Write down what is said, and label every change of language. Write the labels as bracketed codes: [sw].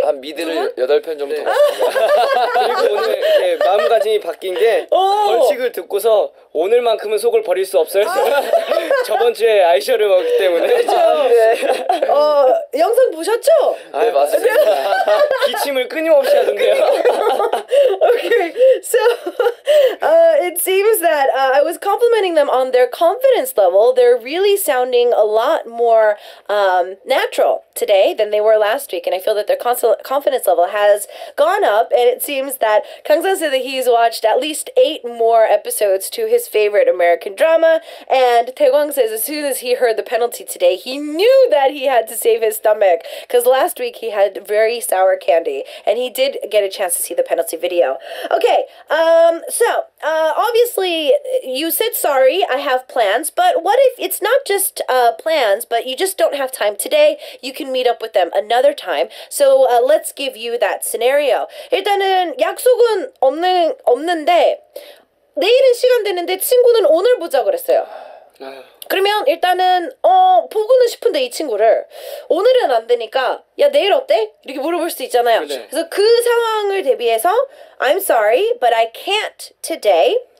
[ko] 한 미드를 8편 정도 갔습니다. 그리고 오늘 이렇게 마음가짐이 바뀐 게 벌칙을 듣고서 오늘만큼은 속을 버릴 수 없어요. 저번 주에 아이셔를 먹기 때문에. 그렇죠. 네. 영상 보셨죠? 아, 네, 맞습니다. 기침을 끊임없이 하던데요. [en] Okay, so it seems that I was complimenting them on their confidence level. They're really sounding a lot more natural today than they were last week, and I feel that their confidence level has gone up. And it seems that Kangsan said that he's watched at least 8 more episodes to his favorite American drama, and Daekwang says as soon as he heard the penalty today, he knew that he had to save his stomach, because last week he had very sour candy, and he did get a chance to see the penalty video. Okay, obviously, you said sorry, I have plans, but what if it's not just plans, but you just don't have time today, you can meet up with them another time, so let's give you that scenario. [ko] 일단은 약속은 없는데, 내일은 시간 되는데 친구는 오늘 보자 그랬어요. 그러면 일단은 보고는 싶은데 이 친구를 오늘은 안 되니까 야 내일 어때? 이렇게 물어볼 수 있잖아요. 그래. 그래서 그 상황을 대비해서 [en] I'm sorry, but I can't today.